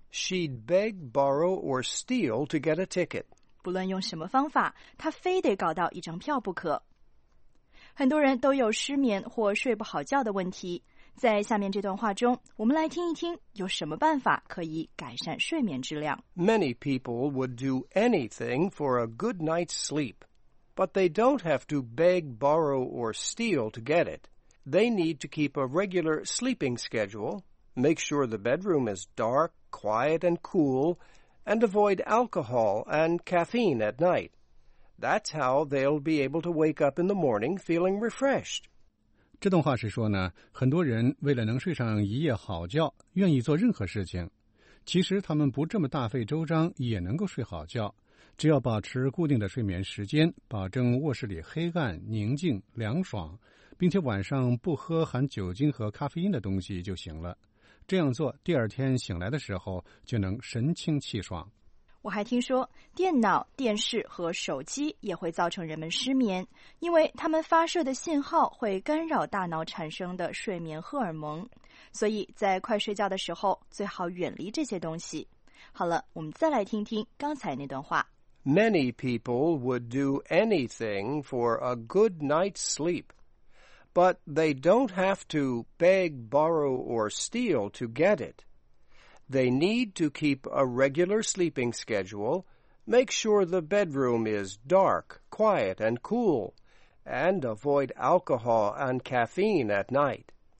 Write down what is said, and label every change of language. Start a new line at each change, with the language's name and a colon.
English: She'd beg, borrow, or steal to get a ticket.
Chinese: 无论用什么方法，他非得搞到一张票不可。很多人都有失眠或睡不好觉的问题，在下面这段话中，我们来听一听有什么办法可以改善睡眠质量。
English: Many people would do anything for a good night's sleep, but they don't have to beg, borrow, or steal to get it. They need to keep a regular sleeping schedule, make sure the bedroom is dark, quiet, and cool, and avoid alcohol and caffeine at night. That's how they'll be able to wake up in the morning feeling refreshed.
Chinese: 这段话是说呢，很多人为了能睡上一夜好觉，愿意做任何事情。其实他们不这么大费周章也能够睡好觉，只要保持固定的睡眠时间，保证卧室里黑暗、宁静、凉爽，并且晚上不喝含酒精和咖啡因的东西就行了。这样做，第二天醒来的时候就能神清气爽。我还听说，电脑、电视和手机也会造成人们失眠，因为他们发射的信号会干扰大脑产生的睡眠荷尔蒙，所以在快睡觉的时候最好远离这些东西。好了，我们再来听听刚才那段话。
English: Many people would do anything for a good night's sleep, but they don't have to beg, borrow, or steal to get it. They need to keep a regular sleeping schedule, make sure the bedroom is dark, quiet, and cool, and avoid alcohol and caffeine at night.